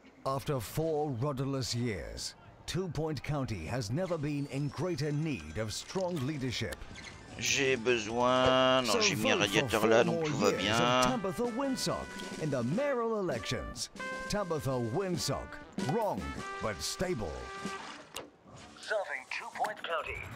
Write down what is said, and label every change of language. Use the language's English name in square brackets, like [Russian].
[English] After four rudderless years, Two Point County has never been in greater need of strong leadership. [French] J'ai besoin... Non, j'ai mis un radiateur là, donc tout va bien. [English] Tabitha Winsock in the mayoral elections. Tabitha Winsock, wrong but stable. Serving Two Point County.